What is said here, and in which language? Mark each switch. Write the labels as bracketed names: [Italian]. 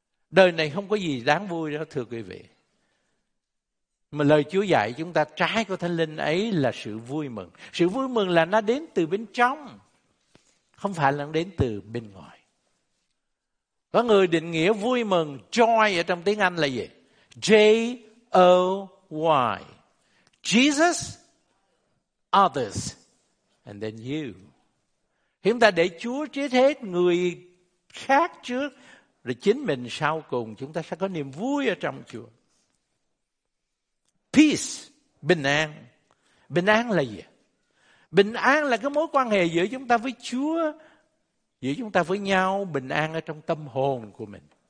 [Vietnamese] Đời này không có gì đáng vui đó thưa quý vị. Mà lời Chúa dạy chúng ta trái của Thánh Linh ấy là sự vui mừng. Sự vui mừng là nó đến từ bên trong, không phải là nó đến từ bên ngoài. Có người định nghĩa vui mừng, joy ở trong tiếng Anh là gì? [English] J-O-Y. Jesus, others, and then you. [Vietnamese] Chúng ta để Chúa trước hết, người khác trước, rồi chính mình sau cùng chúng ta sẽ có niềm vui ở trong Chúa. Peace, bình an. Bình an là gì? Bình an là cái mối quan hệ giữa chúng ta với Chúa, giữa chúng ta với nhau, bình an ở trong tâm hồn của mình.